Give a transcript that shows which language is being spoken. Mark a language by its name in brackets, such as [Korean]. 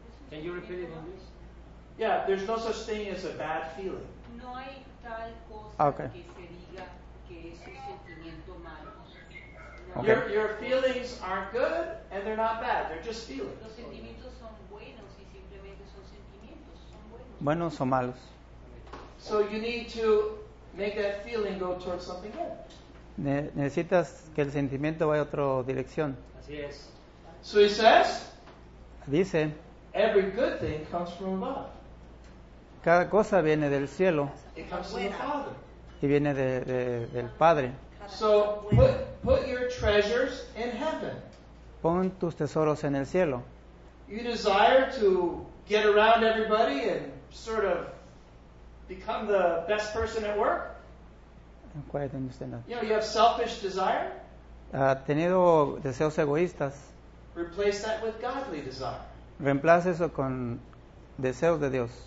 [English] Can you repeat it in English? Yeah, there's no such thing as a bad feeling. [Spanish] No hay tal cosa que se diga que es un sentimiento malo. [English] Your feelings aren't good and they're not bad. They're just feelings. [Spanish] Los sentimientos son buenos y simplemente son sentimientos. Son buenos. Buenos o malos. [English] So you need to make that feeling go towards something good. [Spanish] Necesitas que el sentimiento vaya a otra dirección. Así es. [English] So he says. [Spanish] Dice, [English] every good thing comes from above. [Spanish] Cada cosa viene del cielo. [English] It comes from the Father. [Spanish] Y viene del Padre. [English] So put your treasures in heaven. [Spanish] Pon tus tesoros en el cielo. [English] You desire to get around everybody and sort of become the best person at work? I don't quite understand that. You know, you have selfish desire? [Spanish] Ha tenido deseos egoístas. [English] Replace that with godly desire. [Spanish] Reemplace eso con deseos de Dios.